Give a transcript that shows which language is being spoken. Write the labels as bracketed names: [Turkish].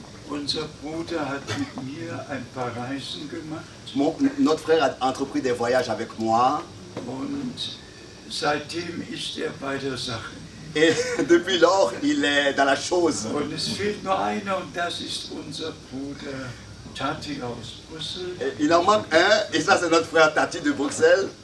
[German] Unser Bruder hat mit mir ein paar Reisen gemacht. [French] Notre frère hat entrepris des voyages avec moi. [German] Und seitdem ist er bei der Sache. [French] Et depuis lors, il est dans la chose. [German] Und es fehlt nur einer, und das ist unser Bruder Tati aus Brüssel. [French] Il en manque un, et ça c'est notre frère Tati de Bruxelles.